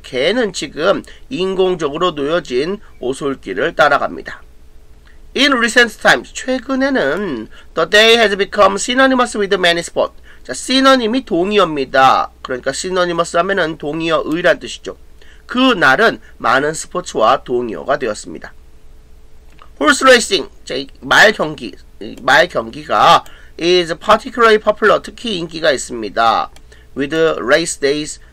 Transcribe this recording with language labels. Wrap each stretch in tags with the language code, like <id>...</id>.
<ko>개는 지금 인공적으로 놓여진 오솔길을 따라갑니다.</ko> <en>In recent times,</en> <ko>최근에는</ko> <en>the day has become synonymous with many sports.</en> <ko>자, synonym이 동의어입니다. 그러니까 synonymous 하면은 동의어의란 뜻이죠. 그 날은 많은 스포츠와 동의어가 되었습니다.</ko> <en>Horse racing,</en> <ko>자, 말 경기, 말 경기가</ko> <en>is particularly popular,</en> <ko>특히 인기가 있습니다.</ko> <en>With race days,</en>